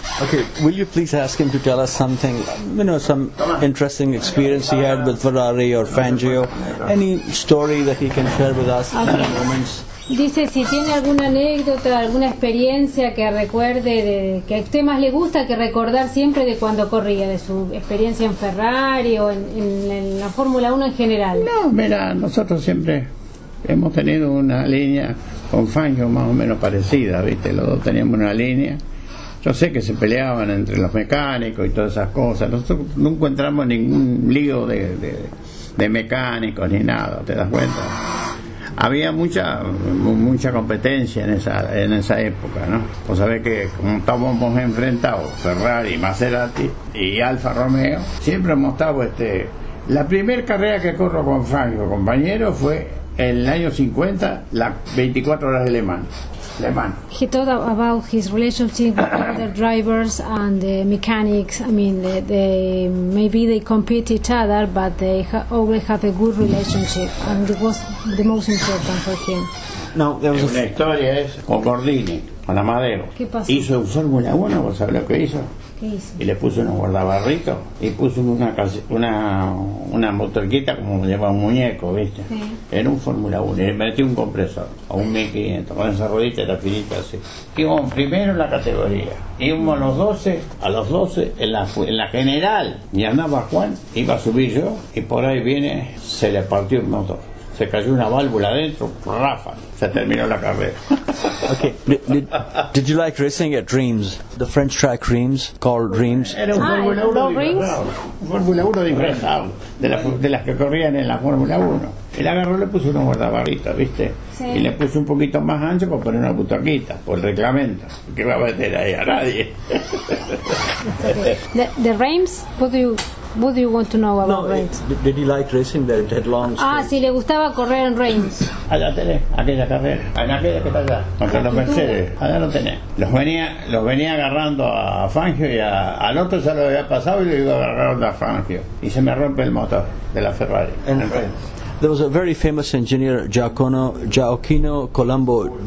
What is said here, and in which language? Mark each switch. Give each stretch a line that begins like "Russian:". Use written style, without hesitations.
English: Okay, will you please ask him to tell us something, you know, some interesting experience he had with Ferrari or Fangio? Any story that he can share with us in the moments?
Spanish: Dice si tiene alguna anécdota, alguna experiencia que recuerde, de que a usted más le gusta que recordar siempre de cuando corría, de su experiencia en Ferrari o en la Fórmula 1 en general. No, mira, nosotros siempre hemos tenido una línea con Fangio más o menos parecida, ¿viste? Los dos teníamos una línea. Yo sé que se peleaban entre los mecánicos y todas esas cosas. Nosotros nunca entramos en ningún lío de mecánicos ni nada, ¿te das cuenta? Había mucha competencia en esa época, ¿no? Vos sabés que como estábamos enfrentados, Ferrari, Maserati y Alfa Romeo, siempre hemos estado la primera carrera que corro con Fangio, compañero, fue en el año 50, la 24 horas de Le Mans.
English: He talked about his relationship with the drivers and the mechanics. I mean, they compete each other, but they always have a good relationship, and it was the most important for him.
Spanish: No,
English: there was
Spanish: una historia es con Gordini, con Amadeo. ¿Qué pasó? Hizo un Fórmula 1, ¿vos sabés lo que hizo? ¿Qué hizo? Y le puso unos guardabarritos y puso una motorquita como lleva un muñeco, ¿viste? Sí. Era un Fórmula 1 y le metió un compresor a un 1500 con esa ruedita y la filita así. Íbamos primero en la categoría, íbamos a los 12 en la general, y andaba Juan, iba a subir yo y por ahí viene, se le partió el motor. Se cayó una válvula adentro, Rafa, se terminó la carrera.
English: Okay, did you like racing at Reims? The French track Reims, called Reims?
Spanish: Era un Fórmula 1 disfrazado. Fórmula 1 disfrazado, de las que corrían en la Fórmula 1. El agarró, le puso unos guardabarritos, ¿viste? Sí. Y le puso un poquito más ancho para poner una butaquita, por el reglamento. ¿Qué va a meter ahí a nadie?
English: The Reims, what do you want to know about Reims? Did he like racing there, dead long
Spanish: straight? Ah, sí, le gustaba correr en Reims. Allá tenés, aquella carrera. En aquella que está allá, contra los Mercedes. Allá lo tenés. Los venía agarrando a Fangio y al otro ya lo había pasado y lo iba agarrando a Fangio. Y se me rompe el motor de la Ferrari. En Reims.
English: There was a very famous engineer, Gioacchino Colombo.